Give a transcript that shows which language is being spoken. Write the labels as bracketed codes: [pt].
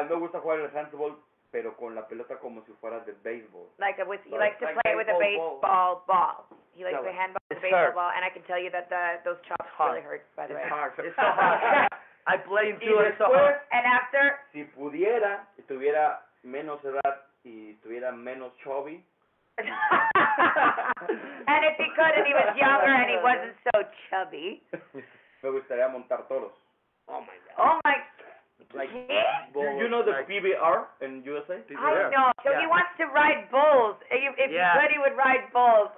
[es] A mí me gusta jugar el handball, pero con la pelota como si fuera de béisbol. [en] Like with, he likes to play with a baseball ball. He likes the handball with a baseball ball, and I can tell you that those chops really hurt, by the way. It's hard. It's so hard. I play him too, it's so hard. And after? [es] Si pudiera, y tuviera menos edad, y tuviera menos chubby. [en] And if he could, and he was younger, and he wasn't so chubby. [es] Me gustaría montar toros. [en] Oh, my God. Like bulls, you know the like PBR in USA? PBR. I know. So he wants to ride bulls. If he could, he would ride bulls.